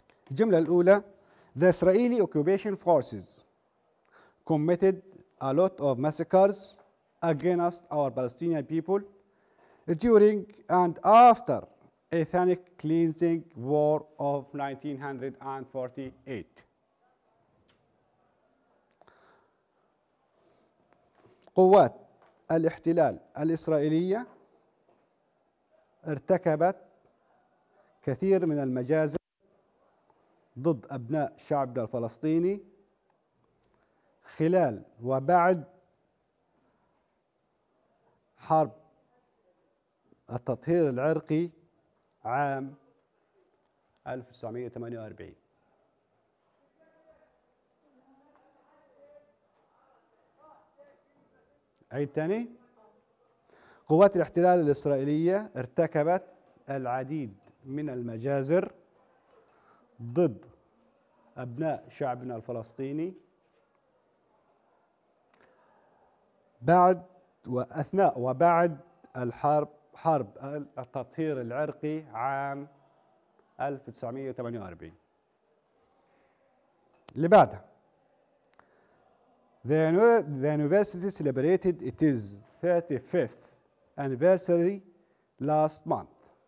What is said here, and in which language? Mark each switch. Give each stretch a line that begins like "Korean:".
Arabic: الجملة الأولى
English: The Israeli occupation forces committed a lot of massacres against our Palestinian people during and after ethnic cleansing war of 1948.
Arabic: قوات الاحتلال الإسرائيلية ارتكبت كثير من المجازر ضد أبناء شعبنا الفلسطيني خلال وبعد حرب التطهير العرقي عام 1948. عيد تاني. قوات الاحتلال الإسرائيلية ارتكبت العديد من المجازر ضد أبناء شعبنا الفلسطيني بعد وأثناء وبعد الحرب حرب التطهير العرقي عام 1948. اللي بعدها.
English: The university's celebrated its 35th anniversary last month.